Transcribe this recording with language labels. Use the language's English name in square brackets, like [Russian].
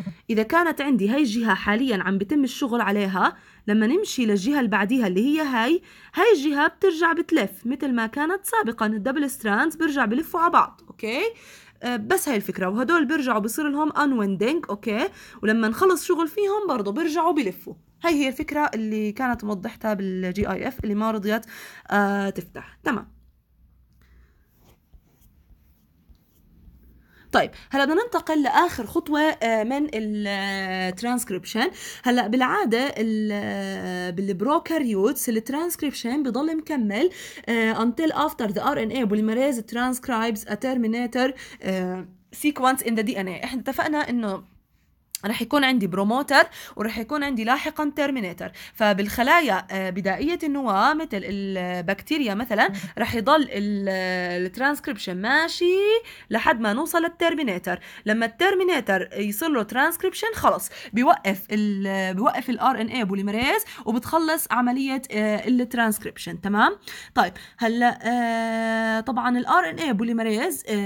[Arabic] اذا كانت عندي هاي الجهة حاليا عم بتم الشغل عليها، لما نمشي للجهة اللي بعديها اللي هي هاي الجهة بترجع بتلف مثل ما كانت سابقا، الدبل سترانز برجع بلفوا على بعض، اوكي؟ بس هاي الفكرة، وهدول بيرجعوا بصير لهم unwinding، اوكي؟ ولما نخلص شغل فيهم برضو بيرجعوا بلفوا. هاي هي الفكرة اللي كانت موضحتها بالـ GIF اللي ما رضيت تفتح، تمام. طيب هلا بدنا ننتقل لآخر خطوة من الـ transcription. هلا بالعادة بالبروكاريوتس [English] الـ transcription بضل مكمل until after the RNA polymerase transcribes a terminator sequence in the DNA. [Arabic] احنا اتفقنا انه رح يكون عندي بروموتر ورح يكون عندي لاحقا تيرميناتر. فبالخلايا بدائية النواة مثل البكتيريا مثلا، رح يضل الترانسكريبشن ماشي لحد ما نوصل للتيرميناتر. لما التيرميناتر يصير له ترانسكريبشن خلص بيوقف الـ RNA بوليمريز وبتخلص عملية الترانسكريبشن، تمام؟ طيب هلا طبعا الـ RNA بوليمريز